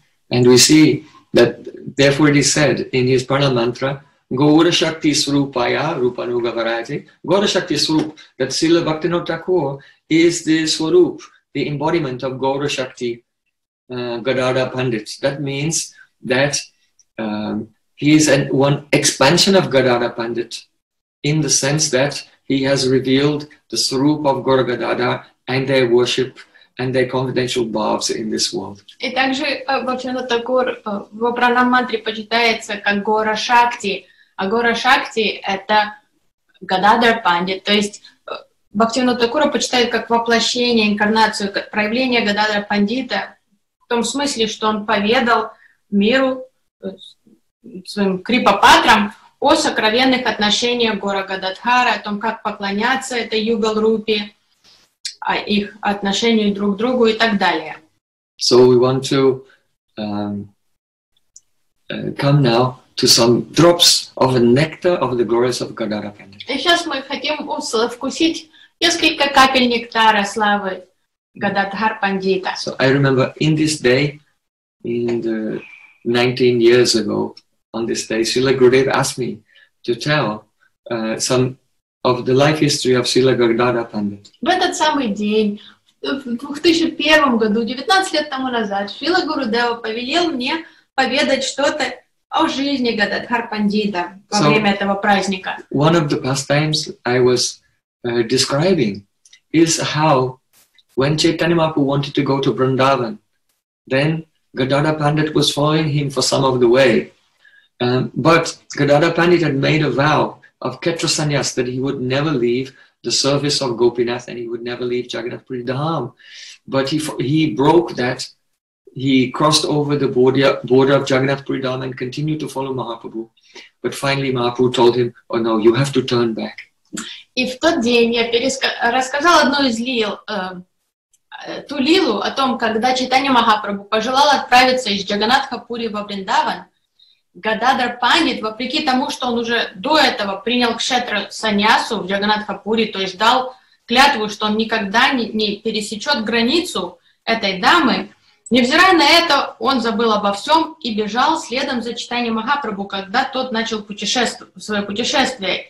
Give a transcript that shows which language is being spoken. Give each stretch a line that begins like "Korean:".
English: And we see that therefore it is said in his Prana Mantra, Gaura Shakti Srupaya Rupanuga Varayate, Gaura Shakti Srup, that Srila Bhaktivinoda Thakur is the Swarup, the embodiment of Gaura Shakti Gadadhara Pandit. That means that he is one expansion of Gadadhara Pandit in the sense that he has revealed the Srup of Gaura-Gadadhara and their worship and their confidential bhavs in this world.
Russian: И также Бхактивинода Такур в Пранаммантре почитается как Гора Шакти, а Гора Шакти — это Гададхара Пандит. То есть Бхактивинода Такура почитает как воплощение, инкарнацию, как проявление Гададхара Пандита в том смысле, что он поведал миру, своим Крипа-патрам, о сокровенных отношениях Гора Гададхара, о том, как поклоняться этой Югал-Рупе, о их отношению друг к другу и так далее.
English: So we want to come now to some drops of the nectar of the glories of Gadadhara Pandit.
Russian: И сейчас мы хотим вкусить несколько капель нектара славы Гададхар Пандита.
English: So I remember in this day, in the 19 years ago, on this day, Srila Gurudev asked me to tell some of the life history of Srila Gadadhara Pandit.
Russian: В этот самый день, в 2001 году, 19 лет тому назад, Шрила Гурудева повелел мне поведать что-то о жизни Гададхар Пандита во время этого праздника.
English: One of the pastimes I was describing is how when Chaitanya Mahaprabhu wanted to go to Vrindavan, then Gadadhara Pandit was following him for some of the way. But Gadadhara Pandit had made a vow of Khetra Sannyas that he would never leave the service of Gopinath and he would never leave Jagannath Puri Dham. But he broke that. He crossed over the border of Jagannath Puri Dham and continued to follow Mahaprabhu. But finally Mahaprabhu told him, oh no, you have to turn back.
Russian: И в тот день я рассказал одну из лил, ту лилу о том, когда Чайтанья Махапрабху пожелал отправиться из Джаганатха Пури во Вриндаван, Гададар Пандит, вопреки тому, что он уже до этого принял кшетра саньясу в Джаганатха Пури, то есть дал клятву, что он никогда не пересечет границу этой дамы, невзирая на это, он забыл обо всем и бежал следом за Чайтанья Махапрабху, когда тот начал свое путешествие.